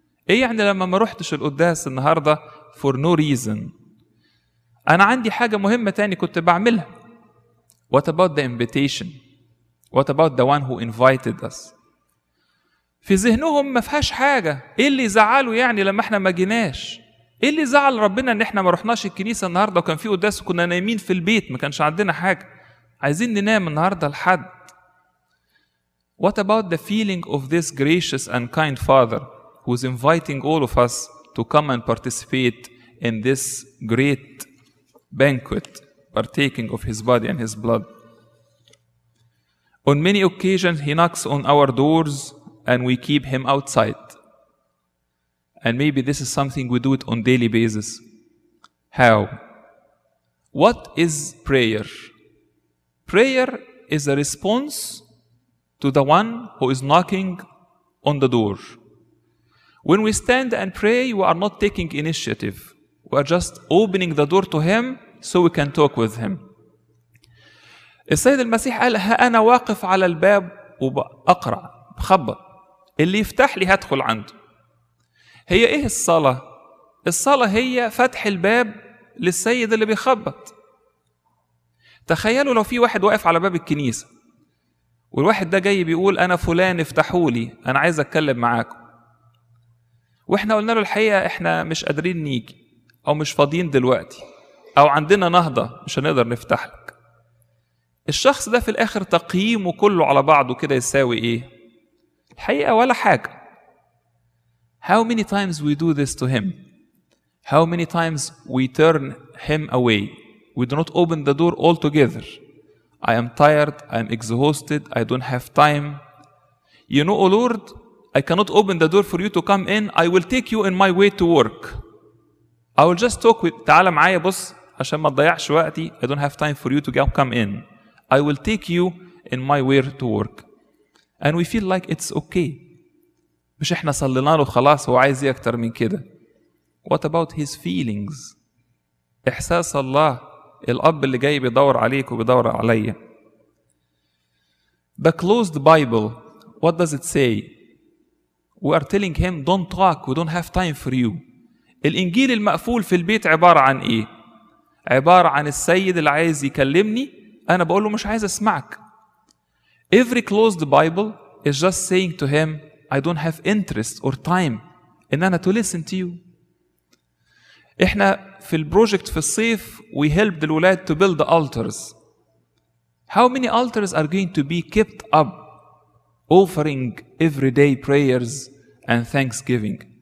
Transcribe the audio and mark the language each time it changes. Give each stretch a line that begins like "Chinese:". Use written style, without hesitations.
Arabic: ايه يعني لما ما روحتش القداس النهاردة
English: for no reason.
Arabic: انا عندي حاجة مهمة تاني كنت بعملها.
English: What about the invitation? What about the one who invited us?
Arabic: في ذهنهم ما فيهاش حاجة. ايه اللي زعلوا يعني لما احنا ما جيناش؟ ايه اللي زعل ربنا ان احنا ما رحناش الكنيسة النهاردة وكان في قداس وكنا نايمين في البيت ما كانش عندنا حاجة. عايزين ننام النهاردة لحد.
English: What about the feeling of this gracious and kind father who is inviting all of us to come and participate in this great banquet, partaking of his body and his blood? On many occasions, he knocks on our doors and we keep him outside. And maybe this is something we do it on a daily basis. How? What is prayer? Prayer is a response to the one who is knocking on the door. When we stand and pray, we are not taking initiative. We are just opening the door to him so we can talk with him.
Arabic: السيد المسيح قال ها أنا واقف على الباب وبقرأ بخبط، اللي يفتح لي هدخل عنده. هي إيه الصلاة؟ الصلاة هي فتح الباب للسيد اللي بيخبط. تخيلوا لو في واحد واقف على باب الكنيسة والواحد ده جاي بيقول أنا فلان افتحوا لي أنا عايز أتكلم معاكم، وإحنا قلنا له الحقيقة إحنا مش قادرين نيجي أو مش فاضيين دلوقتي أو عندنا نهضة مش هنقدر نفتح لك. الشخص ده في الآخر تقييمه كله على بعضه كده يساوي إيه؟ الحقيقة ولا حاجة.
English: How many times we do this to him? How many times we turn him away? We do not open the door altogether. I am tired, I am exhausted, I don't have time. You know, O Lord, I cannot open the door for you to come in. I will take you in my way to work. I will just talk with,
Arabic: تعال معايا بص عشان ما تضيعش وقتي.
English: I don't have time for you to come in. I will take you in my way to work. And we feel like it's okay.
Arabic: مش احنا صلينا له خلاص هو عايز ايه اكتر من كده.
English: What about his feelings?
Arabic: احساس الله الاب اللي جاي بيدور عليك وبيدور عليا.
English: The closed Bible, what does it say? We are telling him don't talk, we don't have time for you.
Arabic: الانجيل المقفول في البيت عبارة عن ايه؟ عبارة عن السيد اللي عايز يكلمني انا بقول له مش عايز اسمعك.
English: Every closed Bible is just saying to him I don't have interest or time
Arabic: إن أنا
English: to listen to you.
Arabic: إحنا في البروجكت في الصيف
English: we help the الولاد to build the altars. How many altars are going to be kept up offering everyday prayers and thanksgiving?